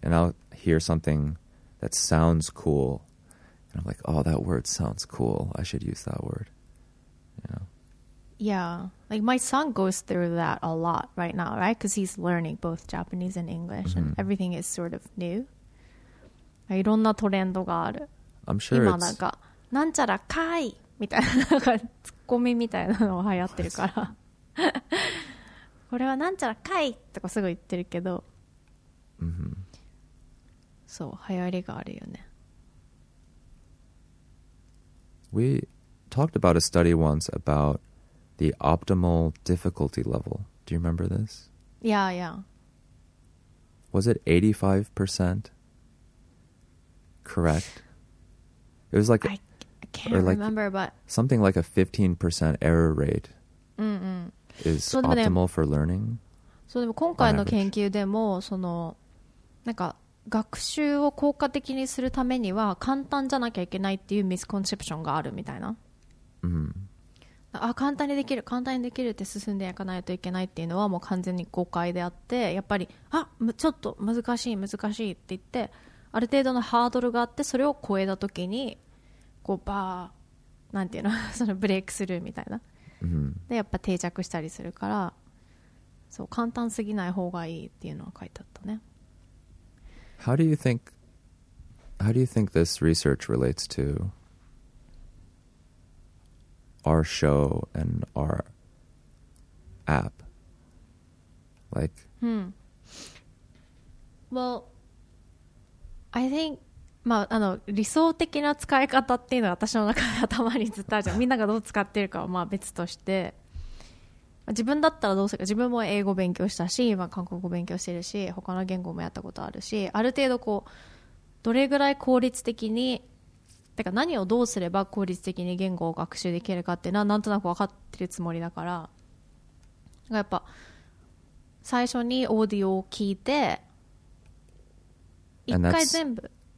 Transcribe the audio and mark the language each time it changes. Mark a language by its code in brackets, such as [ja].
[en] And I'll hear something that sounds cool and I'm like, oh, that word sounds cool, I should use that word, you know. Yeah, like my son goes through that a lot right now, right? Because he's learning both Japanese and English、mm-hmm. and everything is sort of new. [ja] いろんなトレンドがある。 [en] I'm sure [ja] 今なんかなんちゃらかいみたいな、なんかツッコミみたいなのが流行ってるからこれはなんちゃらかいとかすぐ言ってるけど、 [en] mm-hmm. [ja] そう、流行りがあるよね。 [en] We talked about a study once aboutThe optimal difficulty level. Do you remember this? Yeah, yeah. Was it 85% correct? It was like... I can't like remember, but... Something like a 15% error rate、 mm-hmm. is so optimal for learning. [ja] So, でも今回の研究でも、その、なんか、学習を効果的にするためには、簡単じゃなきゃいけないっていうミスコンセプションがあるみたいな。 [en] Mm-hmm. [ja] あ、簡単にできる、簡単にできるって進んでいかないといけないっていうのはもう完全に誤解であって、やっぱりあ、ちょっと難しい難しいって言って、ある程度のハードルがあってそれを超えた時にこうバーなんていうの、そのブレイクスルーみたいな、 [en] mm-hmm. [ja] でやっぱ定着したりするから、そう、簡単すぎない方がいいっていうのは書いてあったね。 [en] How do you think this research relates toOur show and our app. Like, Well, I think, [ja] まあ、あの、理想的な使い方っていうのは私の中で頭にずっとあるじゃん。みんながどう使ってるかはまあ別として、自分だったらどうするか、自分も英語勉強したし、今韓国語勉強してるし、他の言語もやったことあるし、ある程度こうどれぐらい効率的に、だから何をどうすれば効率的に言語を学習できるかっていうのはなんとなく分かってるつもりだから、やっぱ最初にオーディオを聞いて一回全部、